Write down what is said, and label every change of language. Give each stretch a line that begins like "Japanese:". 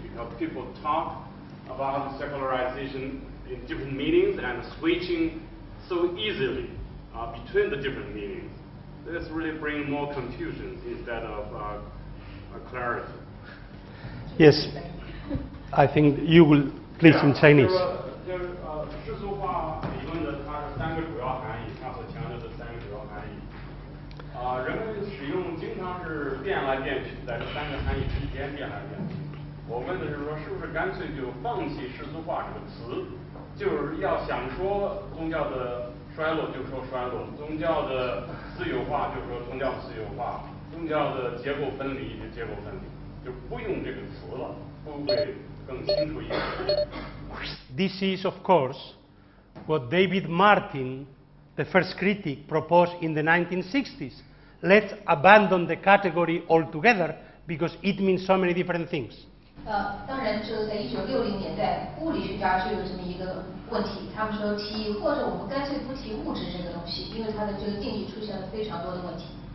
English: Because people talk about secularization in different meanings and switching so easily between the different meanings. This really brings more confusion instead of clarity. Yes, I think you will, please, yeah, in Chinese.
Chinese: 就是世俗化理论的它是三个主要含义，刚才强调的三个主要含义。人们使用经常是变来变去，在这三个含义之间变来变去。我问的是说，是不是干脆就放弃世俗化这个词，就是要想说宗教的衰落就说衰落，宗教的自由化就说宗教自由化，宗教的结构分离就结构分离，就不用这个词了，会不会更清楚一点？
English: This is of course what David Martin, the first critic, proposed in the 1960s. Let's abandon the category altogether because it means so many different things.
Chinese: 当然就在1960年代，物理学家就有这么一个问题，他们说提或者我们干脆不提物质这个东西，因为它的这个定义出现了非常多的问题。